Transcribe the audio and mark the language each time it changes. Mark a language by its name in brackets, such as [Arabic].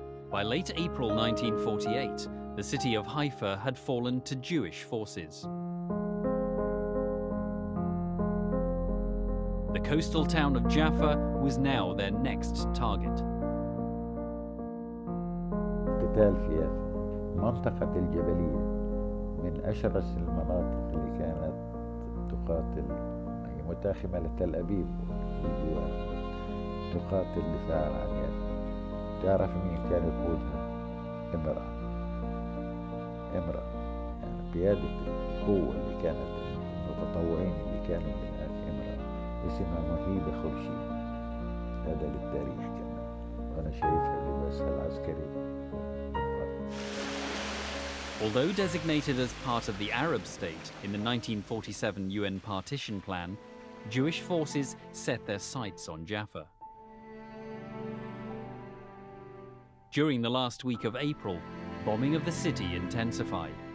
[English] By late April 1948, the city of Haifa had fallen to Jewish forces. The coastal town of Jaffa was now their next target. [Arabic] قتال في يافا، المنطقة الجبلية من أشرس المناطق اللي كانت تقاتل، هي متاخمة لتل أبيب والجوار، تقاتل دفاعا عن يافا. تعرف مين كان يقودها؟ امرأة يعني قيادة القوة اللي كانت المتطوعين اللي كانوا من هذه امرأة اسمها مهيبة خرشي، هذا للتاريخ كمان، وأنا شايفها لباسها العسكري. [English] Although designated as part of the Arab state in the 1947 UN partition plan, Jewish forces set their sights on Jaffa. During the last week of April, bombing of the city intensified.